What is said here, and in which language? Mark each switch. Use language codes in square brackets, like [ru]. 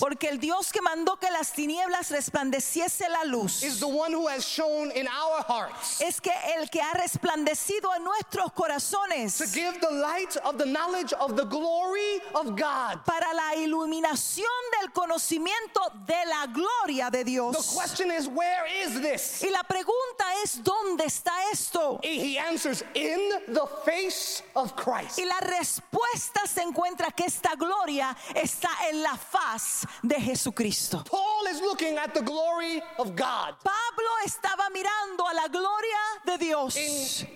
[es] Porque el Dios que mandó que las tinieblas resplandeciese la luz. [en] Is the one who has shone in our hearts. [es] Es que el que ha resplandecido en nuestros corazones. [en] To give the light of the knowledge of the glory of God. [es] Para la iluminación del conocimiento de la gloria de Dios. [en] The question is, where is this? [es] Y la pregunta es, ¿dónde está esto? [en] And he answers, in the face of Christ. [es] Y la respuesta se encuentra que esta gloria está en la faz de Jesucristo. [en] Paul is looking at the glory of God. [es] Pablo estaba mirando a la gloria de Dios.